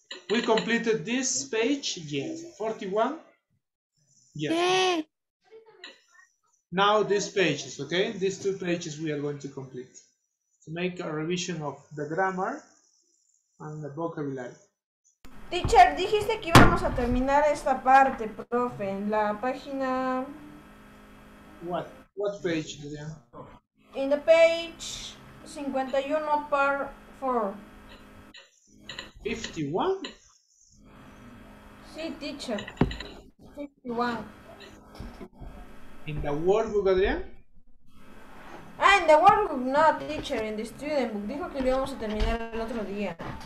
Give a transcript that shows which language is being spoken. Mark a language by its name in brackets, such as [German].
[English] We completed this page yet. 41? Yes. Now these pages, okay? These two pages we are going to complete to make a revision of the grammar and the vocabulary. [Spanish] Teacher, dijiste que íbamos a terminar esta parte, profe, en la página. [English] What? What page, Adrián? In the page 51, part 4. 51? [Spanish] Sí, teacher. 51. [English] In the workbook, Adrián? Ah, in the workbook, no, teacher, in the student book. [Spanish] Dijo que lo íbamos a terminar el otro día.